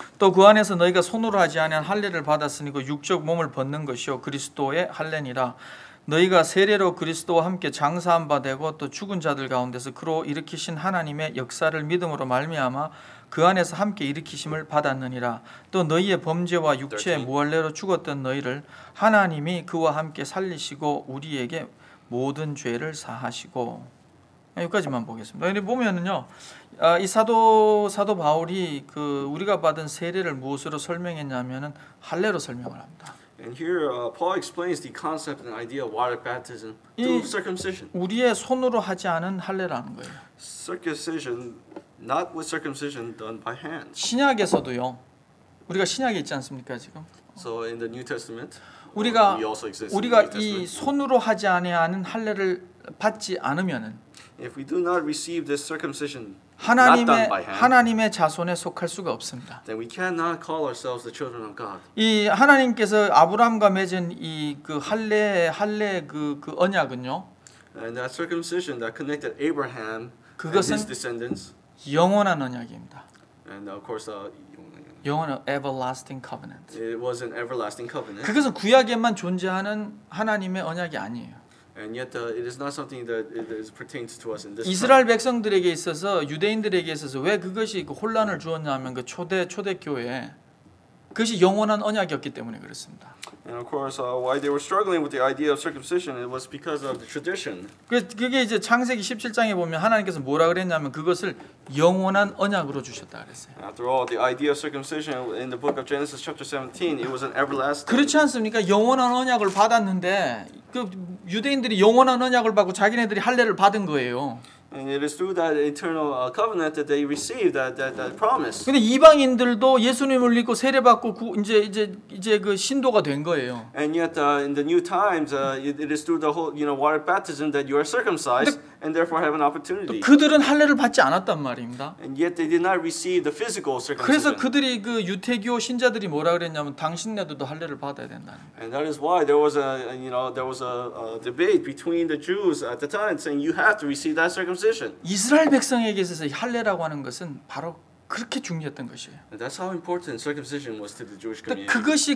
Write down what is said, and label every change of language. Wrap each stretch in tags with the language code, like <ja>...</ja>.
<ko>또 그 안에서 너희가 손으로 하지 아니한 할례를 받았으니 그 육적 몸을 벗는 것이요 그리스도의 할례니라 너희가 세례로 그리스도와 함께 장사한 바 되고 또 죽은 자들 가운데서 그로 일으키신 하나님의 역사를 믿음으로 말미암아 그 안에서 함께 일으키심을 받았느니라 또 너희의 범죄와 육체의 무할례로 죽었던 너희를 하나님이 그와 함께 살리시고 우리에게 모든 죄를 사하시고 여기까지만 보겠습니다. 근데 보면은요, 이 사도 바울이 그 우리가 받은 세례를 무엇으로 설명했냐면은 할례로 설명을 합니다.</ko> <en>And here Paul explains the concept and idea of water baptism through circumcision.</en> <ko>우리의 손으로 하지 않은 할례라는 거예요.</ko> <en>Circumcision, not with circumcision done by hands.</en> <ko>신약에서도요, 우리가 신약에 있지 않습니까 지금?</ko> <en>So in the New Testament,</en> <ko>우리가 이 손으로 하지 아니하는 할례를 받지 않으면은.</ko> <en>If we do not receive this circumcision,</en> <ko>하나님의</ko> <en>not done by hand,</en> <ko>하나님의 자손에 속할 수가 없습니다.</ko> <en>Then we cannot call ourselves the children of God.</en> <ko>이 하나님께서 아브라함과 맺은 이 그 할례 그 언약은요.</ko> <en>And that circumcision that connected Abraham and his descendants.</en> <ko>영원한 언약입니다.</ko> <en>And of course,</en> <ko>영원한</ko> <en>everlasting covenant. It was an everlasting covenant.</en> <ko>그것은 구약에만 존재하는 하나님의 언약이 아니에요.</ko> <en>And yet, it is not something that pertains to us in this.</en> <ko>이스라엘 백성들에게 있어서 유대인들에게 있어서 왜 그것이 그 혼란을 주었냐면 그 초대 교회 그것이 영원한 언약이었기 때문에 그렇습니다.</ko> <en>And of course, why they were struggling with the idea of circumcision, it was because of the tradition.</en> <ko>그게 이제 창세기 17장에 보면 하나님께서 뭐라 그랬냐면 그것을 영원한 언약으로 주셨다 그랬어요.</ko> <en>After all, the idea of circumcision in the book of Genesis chapter 17, it was an everlasting.</en> <ko>그렇지 않습니까? 영원한 언약을 받았는데 그 유대인들이 영원한 언약을 받고 자기네들이 할례를 받은 거예요.</ko> <en>And it is through that eternal covenant that they received that promise.</en> <ko>근데 이방인들도 예수님을 믿고 세례받고 이제 그 신도가 된 거예요.</ko> <en>And yet in the new times, it is through the whole, you know, water baptism that you are circumcised and therefore have an opportunity.</en> <ko>그들은 할례를 받지 않았단 말입니다.</ko> <en>And yet they did not receive the physical circumcision.</en> <ko>그래서 그들이 그 유태교 신자들이 뭐라 그랬냐면 당신네들도 할례를 받아야 된다.</ko> <en>And that is why there was a debate between the Jews at the time saying you have to receive that circumcision.</en> <ko>이스라엘 백성에게 있어서 할례라고 하는 것은 바로 그렇게 중요했던 것이에요.</ko> <en>That's how important circumcision was to the Jewish community.</en>